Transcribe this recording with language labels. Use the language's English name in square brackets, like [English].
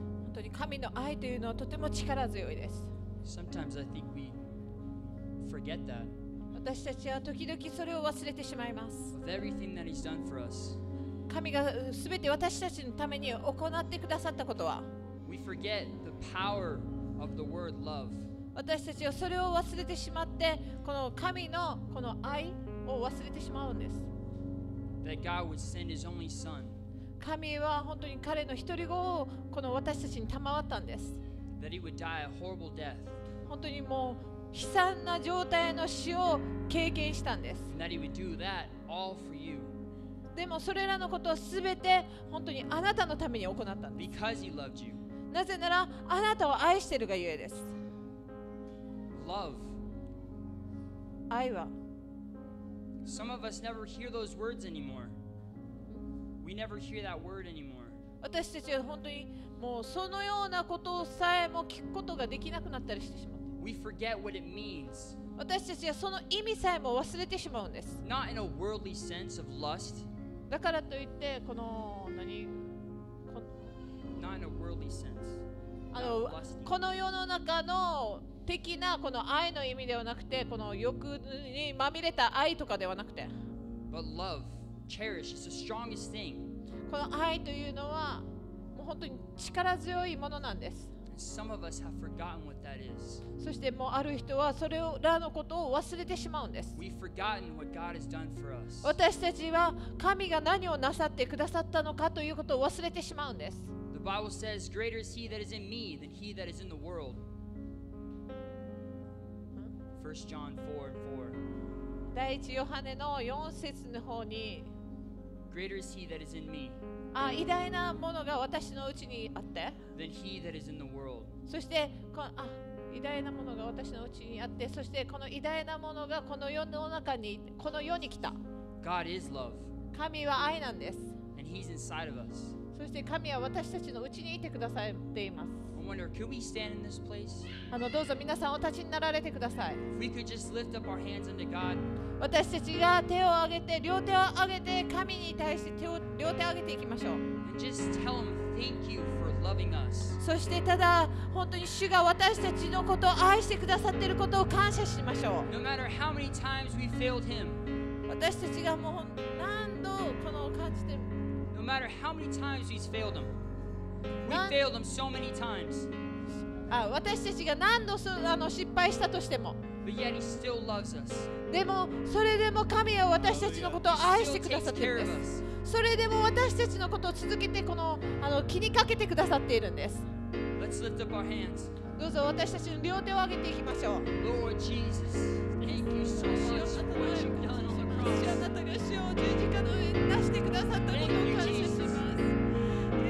[Japanese] 本当に神の愛というのはとても力強いです。 [English] Sometimes I think we forget that. [Japanese] 私たちは時々それを忘れてしまいます。 [English] Of everything that He's done for us. [Japanese] 神がすべて私たちのために行ってくださったことは。 [English] We forget the power of the word love. [Japanese] 私たちはそれを忘れてしまって、この神のこの愛を忘れてしまうんです。 [English] That God would send His only Son. [Japanese] 神は本当に彼の一人子をこの私たちに賜ったんです。 [English] That He would die a horrible death. [Japanese] 本当にもう悲惨な状態の死を経験したんです。 [English] And that He would do that all for you. [Japanese] でもそれらのことをすべて本当にあなたのために行ったんです。 [English] Because He loved you. [Japanese] なぜならあなたを愛しているがゆえです。 [English] Love. [Japanese] 愛は。 [English] Some of us never hear those words anymore. We never hear that word anymore. [Japanese] 私たちは本当にもうそのようなことをさえも聞くことができなくなったりしてしまう。 [English] We forget what it means. [Japanese] 私たちはその意味さえも忘れてしまうんです。 [English] Not in a worldly sense of lust. [Japanese] だからといってこの何？ [English] Not in a worldly sense. [Japanese] あのこの世の中の的なこの愛の意味ではなくて、この欲にまみれた愛とかではなくて、 [English] But love, cherish, is the strongest thing. [Japanese] この愛というのはもう本当に力強いものなんです。 [English] Some of us have forgotten what that is. [Japanese] そしてもうある人はそれらのことを忘れてしまうんです。 [English] We've forgotten what God has done for us. [Japanese] 私たちは神が何をなさってくださったのかということを忘れてしまうんです。 [English] The Bible says, "Greater is He that is in me than He that is in the world." First John 4:4. [Japanese] 第一ヨハネの4節の方に、 [English] Greater is He that is in me. [Japanese] あ、偉大なものが私のうちにあって。 [English] Than He that is in the world. [Japanese] そしてこの、あ、偉大なものが私のうちにあって、そしてこの偉大なものがこの世の中にこの世に来た。 [English] God is love. [Japanese] 神は愛なんです。 [English] And He's inside of us. [Japanese] そして神は私たちのうちにいてくださっています。 [English] I wonder, could we stand in this place? [Japanese] あのどうぞ皆さんお立ちになられてください。 [English] If we could just lift up our hands unto God. [Japanese] 私たちが手を上げて両手を上げて神に対して手を両手を上げていきましょう。 [English] And just tell Him thank you for loving us. [Japanese] そしてただ本当に主が私たちのことを愛してくださっていることを感謝しましょう。 [English] No matter how many times we failed Him. [Japanese] 私たちがもう何度この感じて。 [English] No matter how many times we failed Him. We failed them so many times. [Japanese] あ、私たちが何度そあの失敗したとしても。 [English] But yet He still loves us. [Japanese] でもそれでも神は私たちのことを愛してくださっているんです。それでも私たちのことを続けてこのあの気にかけてくださっているんです。 [English] Let's lift up our hands. [Japanese] どうぞ私たちの両手を上げていきましょう。 [English] Lord Jesus, thank you so much for what you've done on the cross. [Japanese] あなたが死を十字架の上に出してくださったことを感謝します。